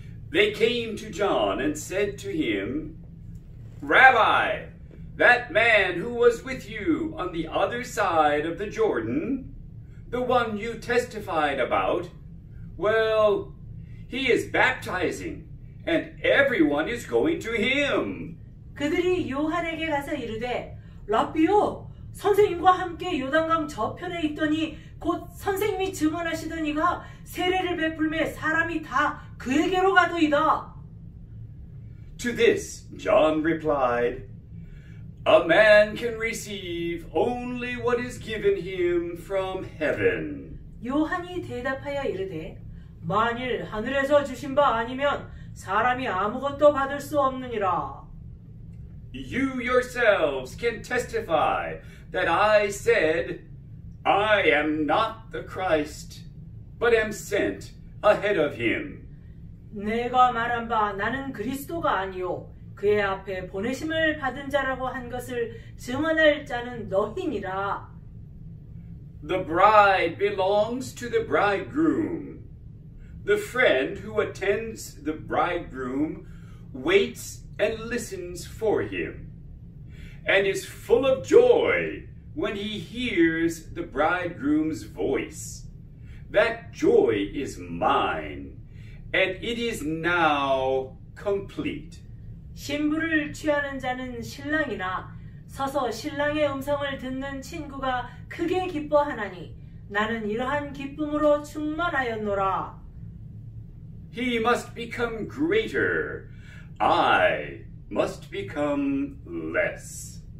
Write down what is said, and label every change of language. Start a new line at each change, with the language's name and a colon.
English: They came to John and said to him, Rabbi, that man who was with you on the other side of the Jordan, the one you testified about, well, he is baptizing, and everyone is going to him.
Korean: 그들이 요한에게 가서 이르되, 랍비요, 선생님과 함께 요단강 저편에 있더니 곧 선생님이 증언하시던 이가 세례를 베풀매 사람이 다 그에게로 가도이다.
English: To this, John replied, A man can receive only what is given him from heaven.
Korean: 요한이 대답하여 이르되, 만일 하늘에서 주신 바 아니면 사람이 아무것도 받을 수 없느니라.
English: You yourselves can testify that I said, I am not the Christ, but am sent ahead of him.
Korean: 내가 말한 바 나는 그리스도가 아니오. 그의 앞에 보내심을 받은 자라고 한 것을 증언할 자는 너희니라.
English: The bride belongs to the bridegroom. The friend who attends the bridegroom waits and listens for him and is full of joy when he hears the bridegroom's voice. That joy is mine, and it is now complete.
Korean: 신부를 취하는 자는 신랑이나 서서 신랑의 음성을 듣는 친구가 크게 기뻐하나니 나는 이러한 기쁨으로 충만하였노라.
English: He must become greater. I must become less.